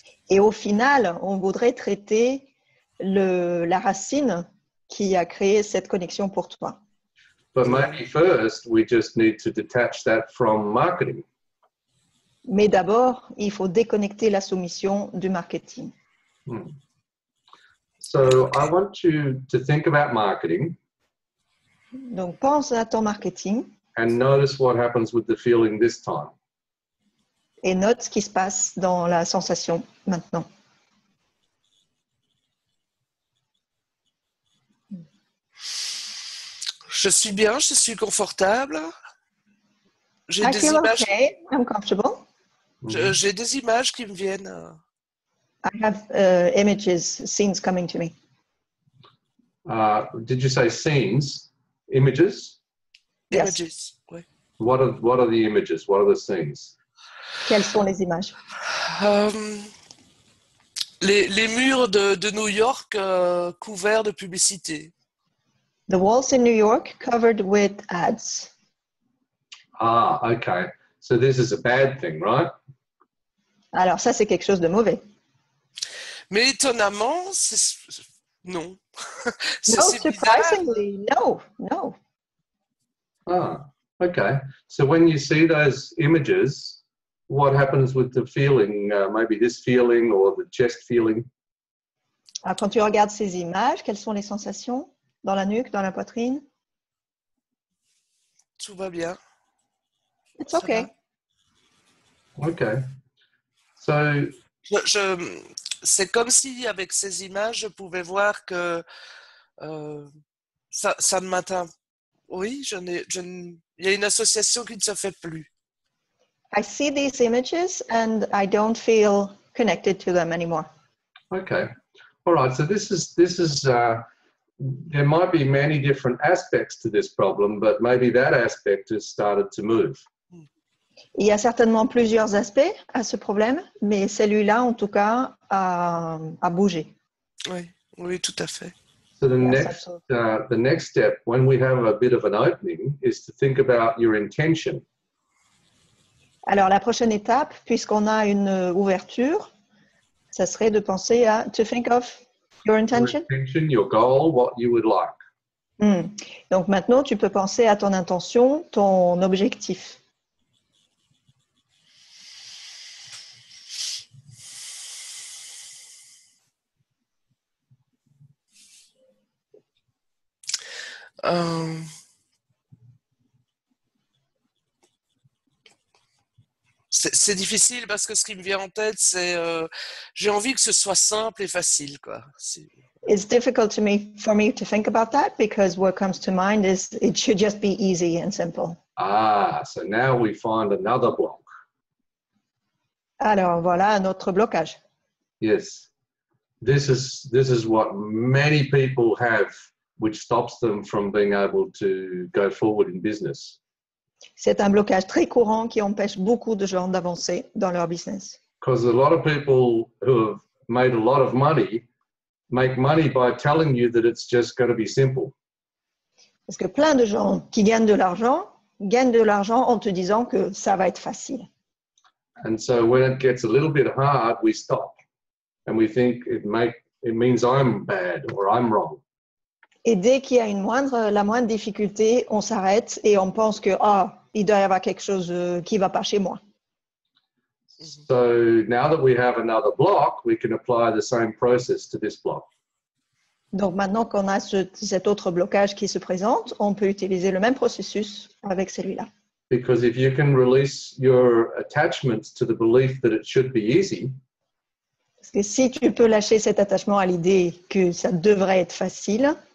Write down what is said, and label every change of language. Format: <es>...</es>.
<fr>Et au final, on voudrait traiter la racine qui a créé cette connexion pour toi.</fr> <en>But maybe first, we just need to detach that from marketing.</en> <fr>Mais d'abord, il faut déconnecter la soumission du marketing.</fr> <en>So I want you to think about marketing.</en> <fr>Donc pense à ton marketing.</fr> <en>And notice what happens with the feeling this time.</en> <fr>Et note ce qui se passe dans la sensation maintenant. Je suis bien, je suis confortable. J'ai des images.</fr> <en>Okay. I'm comfortable.</en> <fr>J'ai des images qui me viennent.</fr> <en>I have images, scenes coming to me. Did you say scenes? Images? Images. Yes. Oui. What are the images? What are the scenes?</en> <fr>Quelles sont les images? Les murs de New York couverts de publicité.</fr> <en>The walls in New York covered with ads. Ah, okay. So this is a bad thing, right?</en> <fr>Alors ça, c'est quelque chose de mauvais. Mais étonnamment, c'est... non. C'est</fr> <en>no, surprisingly, no, no. Ah, okay. So when you see those images, what happens with the feeling, maybe this feeling or the chest feeling?</en> <fr>Alors, quand tu regardes ces images, quelles sont les sensations? Dans la nuque, dans la poitrine? Tout va bien.</fr> <en>It's okay. Okay. So...</en> <fr>C'est comme si, avec ces images, je pouvais voir que ça ne m'atteint. Oui, il y a une association qui ne se fait plus.</fr> <en>I see these images and I don't feel connected to them anymore. Okay. All right. So there might be many different aspects to this problem, but maybe that aspect has started to move.</en> <fr>Il y a certainement plusieurs aspects à ce problème, mais celui-là, en tout cas, a bougé. Oui, tout à fait.</fr> <en>So the next step, when we have a bit of an opening, is to think about your intention.</en> <fr>Alors, la prochaine étape, puisqu'on a une ouverture, ça serait de penser à</fr> <en>to think of your intention. Your intention, your goal, what you would like.</en> <fr>Donc maintenant, tu peux penser à ton intention, ton objectif. C'est difficile parce que ce qui me vient en tête, c'est j'ai envie que ce soit simple et facile, quoi. C'est,</fr> <en>It's difficult to me for me to think about that because what comes to mind is it should just be easy and simple. Ah, so now we find another block.</en> <fr>Alors voilà un autre blocage.</fr> <en>Yes. This is what many people have, which stops them from being able to go forward in business.</en> <fr>C'est un blocage très courant qui empêche beaucoup de gens d'avancer dans leur business.</fr> <en>Because a lot of people who have made a lot of money make money by telling you that it's just going to be simple.</en> <fr>Parce que plein de gens qui gagnent de l'argent en te disant que ça va être facile.</fr> <en>And so when it gets a little bit hard, we stop. And we think it means I'm bad or I'm wrong.</en> <fr>Et dès qu'il y a la moindre difficulté, on s'arrête et on pense que ah, il doit y avoir quelque chose qui va pas chez moi.</fr> <en>So now that we have another block, we can apply the same process to this block.</en> <fr>Donc maintenant qu'on a cet autre blocage qui se présente, on peut utiliser le même processus avec celui-là.</fr> <en>Because if you can release your attachments to the belief that it should be easy.</en> <fr>Parce que si tu peux lâcher cet attachement à l'idée que ça devrait être facile,</fr>